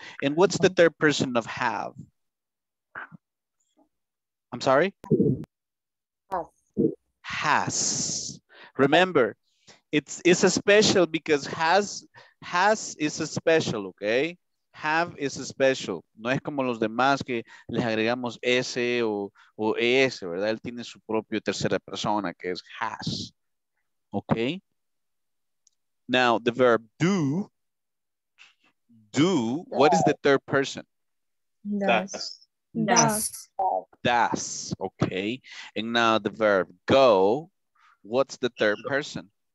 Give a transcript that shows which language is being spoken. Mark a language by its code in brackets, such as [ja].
[en] And what's the third person of have? I'm sorry? Has. Remember, it's a special because has is a special, okay? Have is a special. [es] No es como los demás que les agregamos S o ES, ¿verdad? Él tiene su propio tercera persona, que es has. [en] Okay? Now, the verb do, what is the third person? Does. Okay. And now the verb go, what's the third person?